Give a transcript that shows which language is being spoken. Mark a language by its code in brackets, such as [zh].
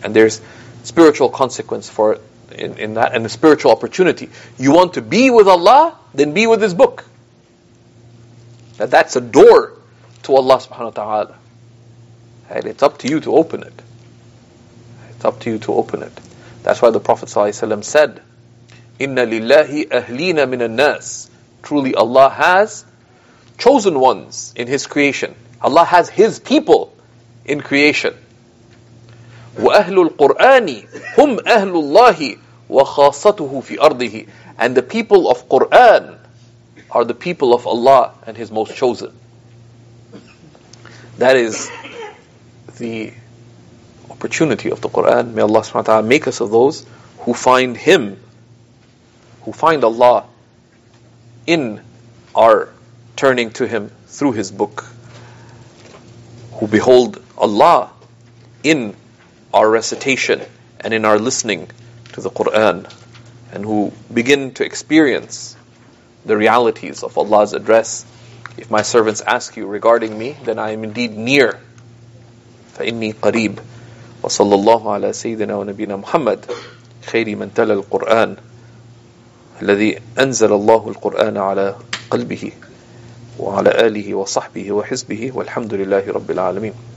[en] And there's spiritual consequence for it in that, and a spiritual opportunity. You want to be with Allah, then be with His book. Now that's a door to Allah subhanahu wa ta'ala. And it's up to you to open it. It's up to you to open it. That's why the Prophet ﷺ said, [ar] إِنَّ لِلَّهِ أَهْلِينَ مِنَ النَّاسِ. [en] Truly Allah has chosen ones in His creation. Allah has His people in creation. [ar] وَأَهْلُ الْقُرْآنِ هُمْ أَهْلُ اللَّهِ وَخَاصَتُهُ فِي أَرْضِهِ. [en] And the people of Qur'an are the people of Allah and His most chosen. That is the opportunity of the Qur'an. May Allah subhanahu wa ta'ala make us of those who find Him, who find Allah in our turning to Him through His book, who behold Allah in our recitation and in our listening to the Qur'an, and who begin to experience the realities of Allah's address. If my servants ask you regarding me, then I am indeed near. [ar] فَإِنِّي قَرِيبٌ وَصَلَّى اللَّهُ عَلَىٰ سَيِّدِنَا وَنَبِيِّنَا مُحَمَّدٍ خَيْرِ مَنْ تَلَى الْقُرْآنَ الذي أنزل الله القرآن على قلبه وعلى آله وصحبه وحزبه والحمد لله رب العالمين.